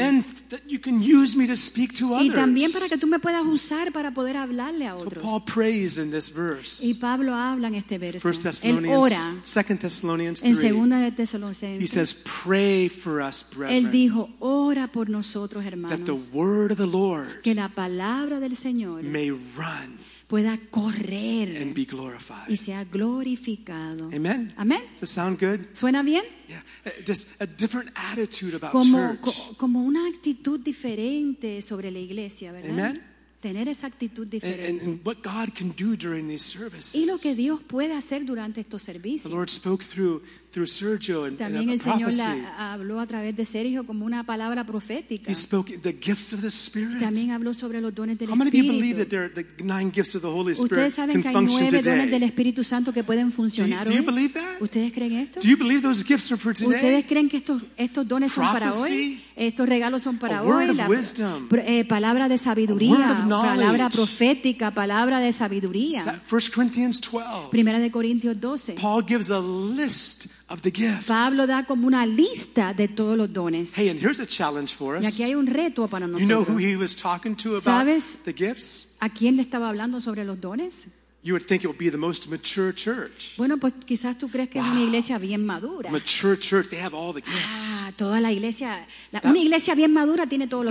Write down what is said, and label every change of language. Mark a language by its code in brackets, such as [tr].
[en] And that you can use me to speak to others. [es] Y también para que tú me puedas usar para poder hablarle a otros. [en] So Paul prays in this verse. [es] Y Pablo habla en este verso. [en] First Thessalonians, [es] él ora. [en] 2 Thessalonians 3. [es] En segunda de Tesalonicenses. [en] He says, "Pray for us, brethren." [es] Él dijo, "Ora por nosotros, hermanos." [en] That the word of the Lord [es] que la palabra del Señor [en] may run [es] pueda correr [en] and be glorified. [es] Y sea glorificado. [en] Amen. [es] Amen. [en] Does it sound good? [es] ¿Suena bien? [en] Yeah. Just a different attitude about [es] como, [en] church. [es] Como una actitud diferente sobre la iglesia, ¿verdad? [en] Amen. [es] tener esa actitud diferente. [en] And what God can do during these services. [es] Y lo que Dios puede hacer durante estos servicios. [en] The Lord spoke through Sergio and [es] también and el Señor la habló a través de Sergio como una palabra profética. [en] He spoke the gifts of the Spirit. [es] También habló sobre los dones del [en] How many [es] Espíritu. [en] People believe that there are the nine gifts of the Holy Spirit [es] ¿Ustedes saben [en] can [es] que hay [en] function [es] nueve [en] today? [es] Dones del Espíritu Santo que pueden funcionar [en] do you believe that? [es] ¿Ustedes creen esto? Do you believe those gifts are for today? ¿Ustedes creen que estos dones son para hoy? Estos regalos son para a hoy. [en] Word of la, wisdom. [es] Palabra de sabiduría. [en] A word of knowledge. [es] Palabra profética. Palabra de sabiduría. [en] 1 Corinthians 12. [es] Primera de Corintios 12. [en] Paul gives a list of the gifts. [es] Pablo da como una lista de todos los dones. [en] Hey, and here's a challenge for us. [es] Y aquí hay un reto para nosotros. [en] You know who he was talking to about the gifts? [es] ¿A quién le estaba hablando sobre los dones? [en] You would think it would be the most mature church. [es] Bueno, pues quizás tú crees que [en] wow. [es] Es una iglesia bien madura. [en] Mature church, they have all the gifts. [es] Ah, toda la iglesia, una iglesia bien madura tiene todos los